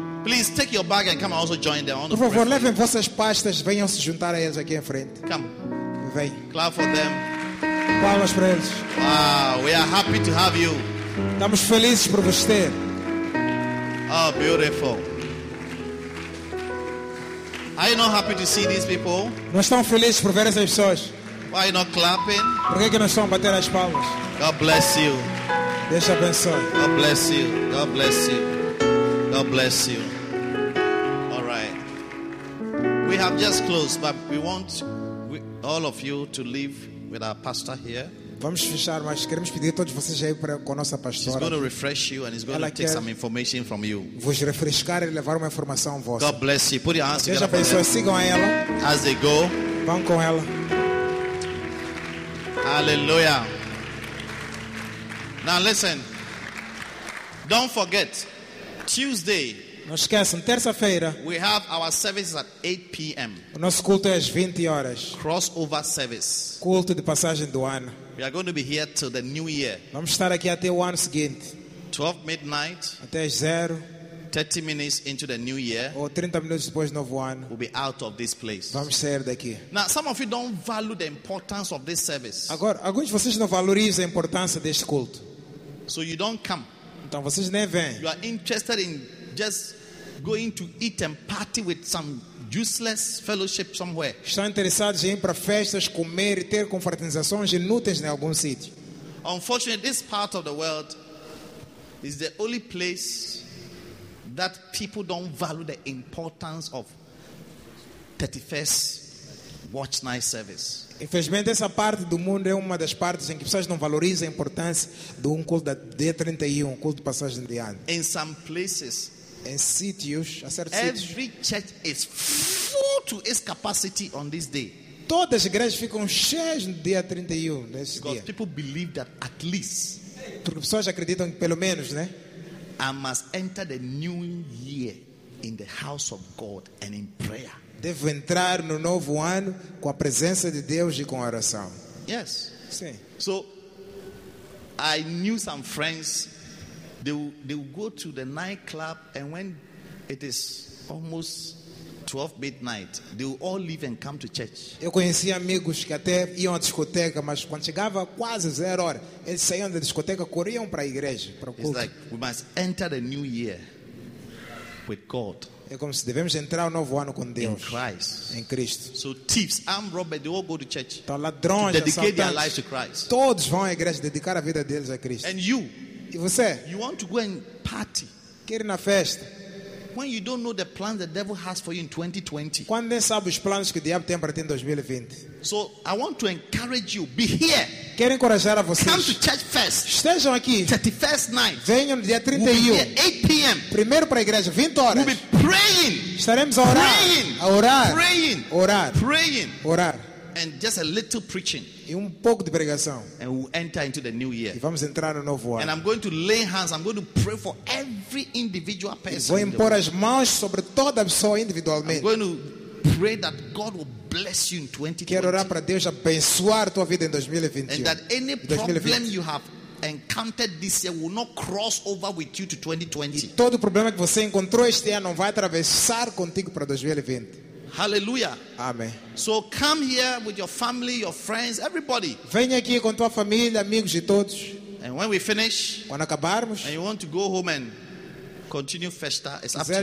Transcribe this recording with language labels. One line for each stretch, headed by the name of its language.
English: Please take your bag and come and also join them.
Portuguese: Por favor, levem vossas pastas, venham se juntar a eles aqui em frente.
English: Come.
Portuguese: Vem.
English: Clap for them.
Portuguese: Palmas para eles.
English: Wow, we are happy to have you.
Portuguese: Estamos felizes por vos ter.
English: Oh, beautiful. Are you not happy to see these people?
Portuguese: Não estão felizes por ver essas pessoas?
English: Why are you not clapping?
Portuguese: Por que não estão a bater as palmas?
English: God bless you.
Portuguese: Deus abençoe.
English: God bless you. God bless you. God bless you. All right. We have just closed, but we want all of you to leave with our pastor here.
Portuguese: Vamos fechar, mas queremos pedir a todos vocês aí para com a nossa pastora.
English: He's going to refresh you and he's going
Portuguese: ela
English: to take some information from you.
Portuguese: Vos refrescar e levar uma informação vossa.
English: God bless you. Put your hands together.
Portuguese: Deus abençoe. Sigam ela.
English: As they go.
Portuguese: Vão com ela.
English: Hallelujah. Now listen. Don't forget. Tuesday.
Portuguese: Não esqueçam, terça-feira.
English: We have our service at 8 p.m.
Portuguese: O nosso culto é às 20 horas.
English: Crossover service.
Portuguese: Culto de passagem do ano.
English: We are going to be here till the new year.
Portuguese: Vamos estar aqui até o ano seguinte.
English: 12 midnight.
Portuguese: Até às 0.
English: 30 minutes into the new year.
Portuguese: Ou 30 minutos depois do novo ano.
English: We'll be out of this place.
Portuguese: Vamos sair daqui.
English: Now, some of you don't value the importance of this service.
Portuguese: Agora, alguns de vocês não valorizam a importância deste culto.
English: So you don't come.
Portuguese: Então vocês nem vêm.
English: You are interested in just going to eat and party with some useless fellowship somewhere.
Portuguese: Estão interessados em ir para festas, comer e ter confraternizações inúteis em algum sítio.
English: Unfortunately, this part of the world is the only place that people don't value the importance of 31st watch night service.
Portuguese: Infelizmente, essa parte do mundo é uma das partes em que pessoas não valorizam a importância de um culto da dia 31, um culto de passagem de ano.
English: In some places,
Portuguese: em sítios, a certos
English: sítios, every church is full to its capacity on this day.
Portuguese: Todas as igrejas ficam cheias no dia 31, nesse
English: because Because people believe that at least,
Portuguese: porque pessoas acreditam que pelo menos, né?
English: I must enter the new year in the house of God and in prayer.
Portuguese: Devo entrar no novo ano com a presença de Deus e com a oração.
English: Yes.
Portuguese: Sim.
English: So, I knew some friends, they will go to the nightclub and when it is almost 12 midnight, they will all leave and come to church.
Portuguese: Eu conheci amigos que até iam à discoteca, mas quando chegava quase zero hora, eles saíam da discoteca, corriam para a igreja, para o culto.
English: It's like, we must enter the new year with God.
Portuguese: É como se devemos entrar o novo ano com Deus.
English: In Christ.
Portuguese: Em Cristo.
English: So thieves, armed robbers, they all go to church.
Portuguese: Então ladrões,
English: to dedicate their lives to Christ.
Portuguese: Todos vão à igreja dedicar a vida deles a Cristo.
English: And you,
Portuguese: e você?
English: You want to go and party.
Portuguese: Quer ir na festa.
English: When you don't know the plans the devil has for you in 2020.
Portuguese: Quando nem sabe os planos que o diabo tem para ti em 2020.
English: So I want to encourage you, be here.
Portuguese: Quero encorajar a vocês.
English: Come to church first.
Portuguese: Estejam aqui.
English: 31st night.
Portuguese: Venham no dia 31.
English: We'll be here 8 p.m.
Portuguese: Primeiro para a igreja, 20 horas.
English: We'll be praying.
Portuguese: Estaremos a orar.
English: Praying.
Portuguese: A orar.
English: Praying.
Portuguese: Orar.
English: Praying.
Portuguese: Orar.
English: And just a little preaching.
Portuguese: E pouco de pregação.
English: And we'll enter into the new year.
Portuguese: E vamos entrar no novo ano.
English: And I'm going to lay hands. I'm going to pray for every individual person.
Portuguese: E vou impor as mãos sobre toda a pessoa individualmente.
English: I'm going to pray that God will bless you in 2020.
Portuguese: Quero orar para Deus abençoar tua vida em 2021.
English: And that any problem you have encountered this year will not cross over with you to 2020.
Portuguese: E todo problema que você encontrou este ano não vai atravessar contigo para 2020.
English: Hallelujah. Amen. So come here with your family, your friends, everybody.
Portuguese: Venha aqui com tua família, amigos e todos.
English: And when we finish,
Portuguese: quando acabarmos,
English: and you want to go home and continue festa, it's up to